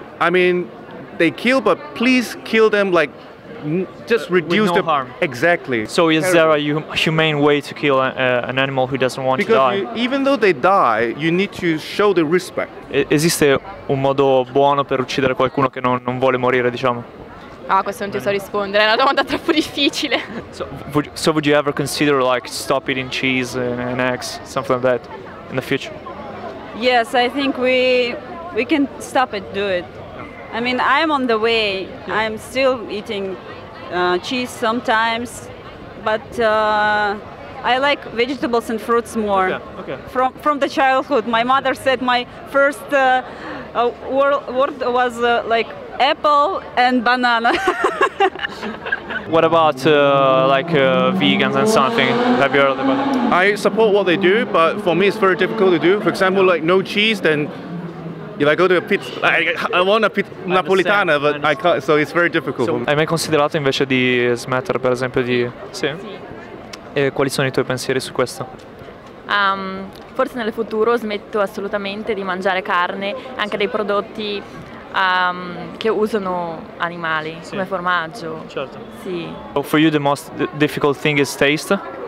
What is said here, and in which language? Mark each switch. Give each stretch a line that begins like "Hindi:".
English: I mean, they kill, but please kill them like just reduce with no the harm. Exactly. So is there a humane way to kill an animal who doesn't want because to die? Because even though they die, you need to show the respect.
Italian: Esiste un modo buono per uccidere qualcuno che non vuole morire, diciamo? Ah, questo non ti so rispondere. È una domanda troppo difficile.
English: So would you ever consider like stop eating cheese and eggs, something like that, in the future? Yes, I think we can stop it. Do it. I mean, I'm on the way. Yeah. I'm still eating cheese sometimes, but I like vegetables and fruits more. Okay. From the childhood, my mother said my first word was like apple and banana. What about vegans and something? Have you heard about that? I support what they do, but for me, it's very difficult to do. For example, like no cheese, then. If I go to a pizza, I want a pizza napoletana, but I can't, so it's very difficult. So,
Italian: hai mai considerato invece di smettere, per esempio, di... Sì. E quali sono i tuoi pensieri su questo? Forse nel futuro smetto assolutamente di mangiare carne, anche dei prodotti che usano animali, come formaggio. Certo. Sì.
English: So for you the most difficult thing is taste?